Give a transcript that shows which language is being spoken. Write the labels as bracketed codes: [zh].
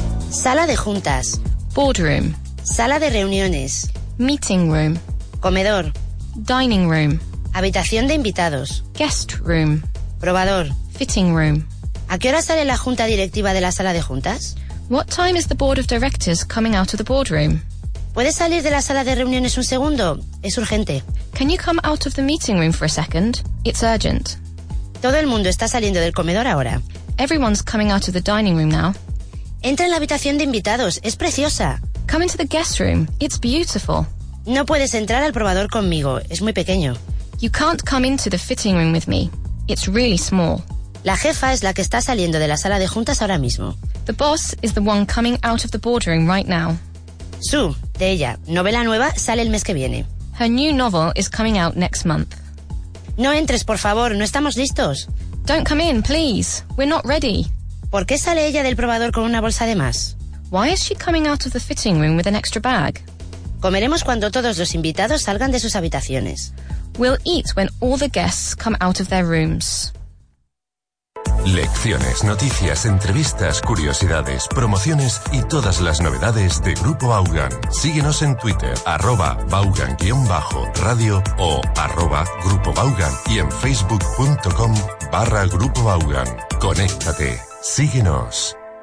[es] Sala de juntas. [en] Boardroom. [es] Sala de reuniones. [en] Meeting room. [es] Comedor. [en] Dining room. [es] Habitación de invitados. [en] Guest room. [es] Probador. [en] Fitting room. [es] ¿A qué hora sale la junta directiva de la sala de juntas? [en] What time is the board of directors coming out of the boardroom? [es] ¿Puedes salir de la sala de reuniones un segundo? Es urgente. [en] Can you come out of the meeting room for a second? It's urgent. [es] Todo el mundo está saliendo del comedor ahora. [en] Everyone's coming out of the dining room now. [es] Entra en la habitación de invitados. Es preciosa. [en] Come into the guest room. It's beautiful. [es] No puedes entrar al probador conmigo. Es muy pequeño. [en] You can't come into the fitting room with me. It's really small. [es] La jefa es la que está saliendo de la sala de juntas ahora mismo. [en] The boss is the one coming out of the boardroom right now. [es] Sue, de ella. Novela nueva sale el mes que viene. [en] Her new novel is coming out next month. [es] No entres, por favor. No estamos listos. [en] Don't come in, please. We're not ready. [es] ¿Por qué sale ella del probador con una bolsa de más? [en] Why is she coming out of the fitting room with an extra bag? [es] Comeremos cuando todos los invitados salgan de sus habitaciones. [en] We'll eat when all the guests come out of their rooms. [es] Lecciones, noticias, entrevistas, curiosidades, promociones y todas las novedades de Grupo Baugan. Síguenos en Twitter, @baugan_radio o @grupobaugan y en facebook.com/grupobaugan. Conéctate, síguenos.